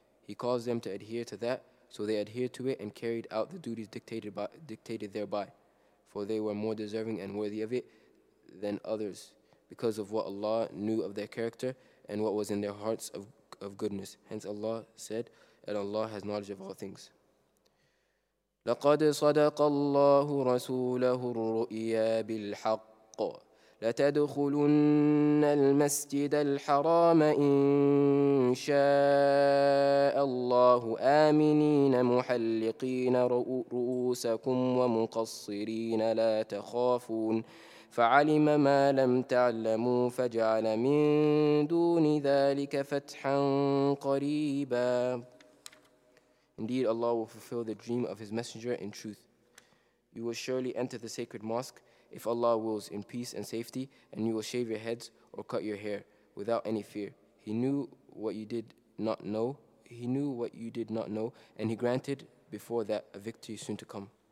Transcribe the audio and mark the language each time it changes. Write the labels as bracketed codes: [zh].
[en] He caused them to adhere to that, so they adhered to it and carried out the duties dictated thereby, for they were more deserving and worthy of it than others, because of what Allah knew of their character and what was in their hearts of goodness. Hence Allah said, and Allah has knowledge of all things. [ar] لقد صدق الله رسوله الرؤيا بالحق لتدخلن المسجد الحرام إن شاء الله آمنين محلقين رؤوسكم ومقصرين لا تخافون فعلم ما لم تعلموا فجعل من دون ذلك فتحا قريبا. [en] Indeed, Allah will fulfill the dream of His Messenger in truth. You will surely enter the sacred mosque, if Allah wills, in peace and safety, and you will shave your heads or cut your hair without any fear. He knew what you did not know. He knew what you did not know, and He granted before that a victory soon to come.